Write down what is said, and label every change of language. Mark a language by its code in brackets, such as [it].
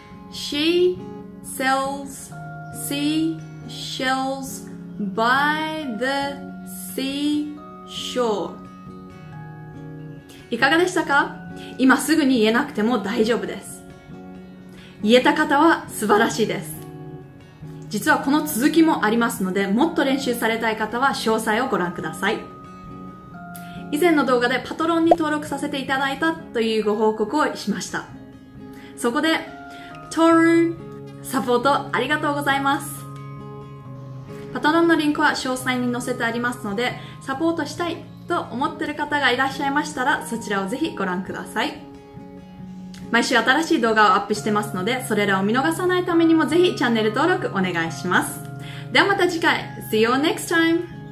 [en] She sells seashells by the seashore. [ja] いかがでしたか？今すぐに言えなくても大丈夫です。言えた方は素晴らしいです。実はこの続きもありますので、もっと練習されたい方は詳細をご覧ください。以前の動画でパトロンに登録させていただいたというご報告をしました。そこでトールサポートありがとうございます。パトロンのリンクは詳細に載せてありますので、サポートしたいと思っている方がいらっしゃいましたら、そちらをぜひご覧ください。毎週新しい動画をアップしてますので、それらを見逃さないためにもぜひチャンネル登録お願いします。ではまた次回、 [en] See you next time。